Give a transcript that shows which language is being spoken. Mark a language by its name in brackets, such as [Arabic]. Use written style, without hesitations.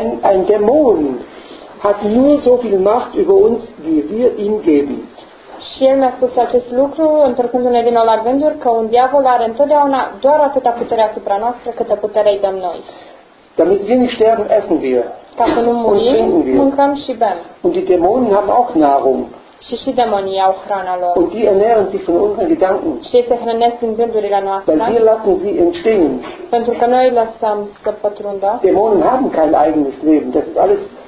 [German] Ein Dämon hat nur so viel Macht über uns, wie wir ihm geben. [Romanian] Și el mi-a spus acest lucru, întorcându-ne din nou la gânduri, că un diavol are întotdeauna doar atâta putere asupra noastră, câtă putere îi dăm noi. [German] Damit wir nicht sterben, essen wir. [Romanian] Ca să nu murim, mâncăm și bem. [German] Und die Dämonen haben auch Nahrung. [Romanian] Și demonii au hrana lor. [German] Und die ernähren sich von unseren Gedanken. [Romanian] Și se hrănesc din gândurile noastre. [German] Weil wir lassen sie entstehen. [Romanian] Pentru că noi lăsăm să pătrundă. [German] Dämonen haben kein eigenes Leben, das ist alles...